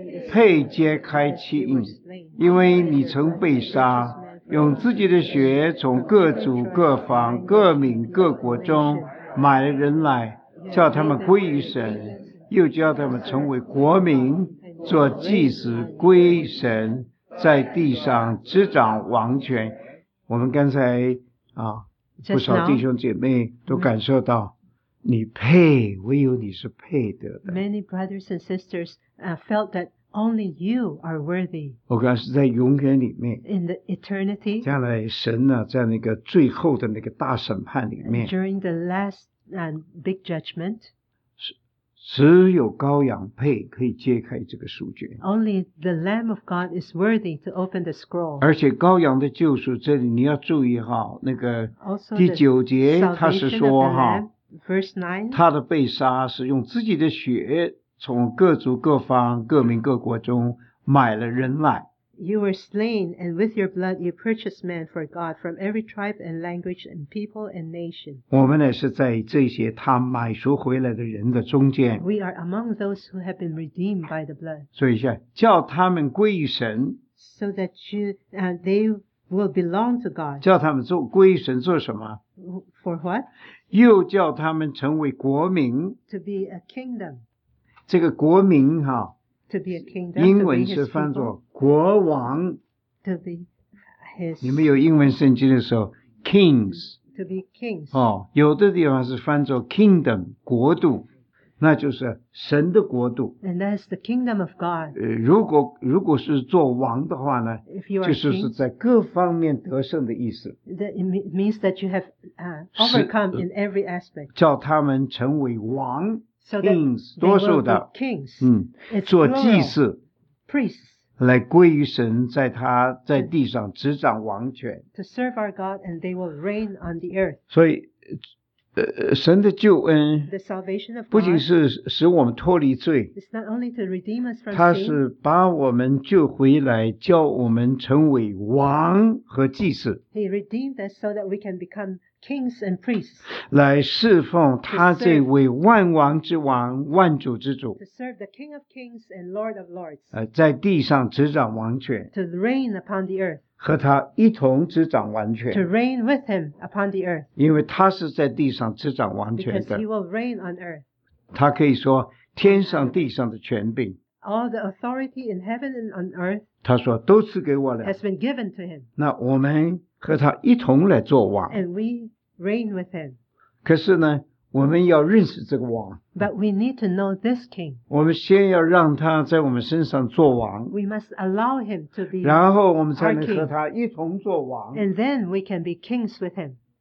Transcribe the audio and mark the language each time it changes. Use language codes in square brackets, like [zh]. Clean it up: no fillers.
[zh] 配揭开七印因为你曾被杀用自己的血从各族各方各民各国中买了人来叫他们归于神又叫他们成为国民做祭司归神在地上执掌王权我们刚才啊，不少弟兄姐妹都感受到你配，唯有你是配得的。 [en] Many brothers and sisters felt that only you are worthy. [zh] 我告诉在永远里面。 [en] In the eternity. [zh] 将来神呢，在那个最后的那个大审判里面。 [en] During the last big judgment. [zh] 只有羔羊配可以揭开这个书卷。 [en] Only the Lamb of God is worthy to open the scroll. [zh] 而且羔羊的救赎，这里你要注意哈，那个第九节他是说哈。 [en] Verse 9, [zh] 他的被杀是用自己的血从各族各方各民各国中买了人来 [en] You were slain and with your blood you purchased men for God from every tribe and language and people and nation [zh] 我们呢是在这些他买赎回来的人的中间 [en] We are among those who have been redeemed by the blood [zh] 所以一下叫他们归于神 [en] So that you, they will belong to God [zh] 叫他们做归于神做什么 [en] For what? [zh] 又叫他们成为国民 [en] to be a kingdom [zh] 这个国民哈 [en] to be a kingdom, [zh] 英文是翻作国王 [en] to be his, [zh] 你们有英文圣经的时候 kings, [en] to be kings、 [zh] 哦、有的地方是翻作 kingdom 国度那就是神的国度 [en] and that's the kingdom of God [zh] 如果是做王的话呢 [en] if you are [zh] 就是在各方面得胜的意思 [en] that it means that you have overcome in every aspect [zh] 叫他们成为王 [en] so kings, that [zh] 多数的 [en] kings, [zh] 做祭祀 [en] priests [zh] 来归于神在他在地上执掌王权 [en] to serve our God and they will reign on the earth [zh] 所以神的救恩 [en] the salvation of God, [zh] 不仅是使我们脱离罪 [en] it's not only to redeem us from [zh] 他是把我们救回来叫我们成为王和祭司 [en] He redeemed us so that we can become kings and priests [zh] 来侍奉他这位万王之王万主之主 [en] to serve the king of kings and lord of lords [zh] 在地上执掌王权 [en] to reign upon the earth [zh] 和他一同执掌王权 [en] to reign with him upon the earth [zh] 因为他是在地上执掌王权的 [en] because he will reign on earth [zh] 他可以说天上地上的权柄 [en] all the authority in heaven and on earth [zh] 他说都赐给我了 [en] has been given to him [zh] 那我们和他一同来做王 [en] and we reign with him [zh] 可是呢我们要认识这个王。 [en] But we need to know this king. [zh] 我们先要让他在我们身上做王。 [en] We must allow him to be our king. [zh] 然后我们才能和他一同做王。 [en] And then we can be kings with him.